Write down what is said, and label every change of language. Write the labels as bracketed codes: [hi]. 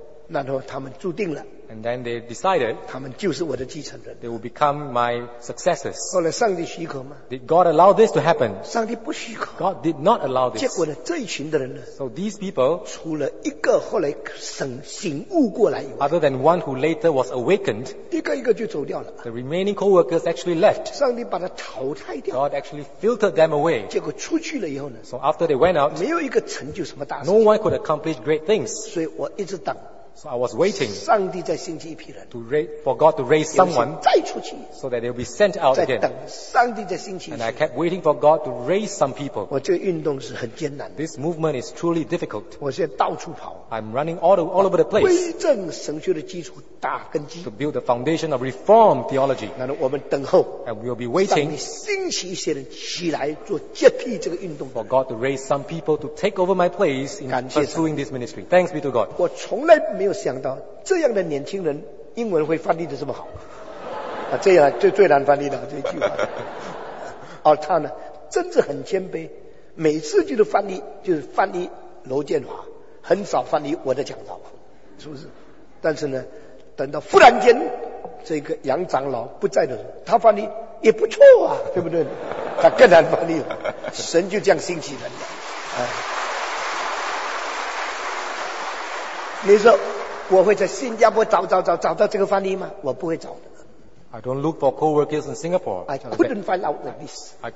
[zh] 然后他们注定了。 [en] And then they decided, [zh] 他们就是我的继承人。 [en] They will become my successors. [zh] 后来上帝许可吗？ [en] Did God allow this to happen? [zh] 上帝不许可。 [en] God did not allow this. [zh] 结果呢，这一群的人呢？ [en] So these people, [zh] 除了一个后来醒悟过来以外， [en] other than one who later was awakened, [zh] 一个一个就走掉了。 [en] The remaining co-workers actually left. [zh] 上帝把他淘汰掉。 [en] God actually filtered them away. [zh] 结果出去了以后呢？ [en] So after they went out, [zh] 没有一个成就什么大事。 [en] No one could accomplish great things. [zh] 所以我一直等。 [en] So I was waiting [zh] 上帝再兴起一批人 [en] to raise, for God to raise someone [zh] 再出去 [en] so that they'll be sent out again. [zh] 再等上帝再兴起一批 [en] 人 And I kept waiting for God to raise some people. [zh] 我这个运动是很艰难的 [en] This movement is truly difficult. [zh] 我现在到处跑 [en] I'm running all over the place. [zh] 归正神学的基础打根基 [en] to build the foundation of reform theology. [zh] 然后我们等候 [en] And we'll be waiting [zh] 上帝兴起一些人起来做接替这个运动 [en] for God to raise some people to take over my place in pursuing this ministry. Thanks be to God. [zh] 我从来没有想到这样的年轻人英文会翻译的这么好、啊、这样最难翻译的这一句话而他呢真是很谦卑每次就是翻译就是翻译楼建华很少翻译我的讲道是不是但是呢等到忽然间这个杨长老不在的时候他翻译也不错啊对不对他更难翻译了神就这样兴起人了、哎你说我会在新加坡找到这个翻译吗？我不会找的。 [en] I don't look for co-workers in Singapore. I couldn't find out like this.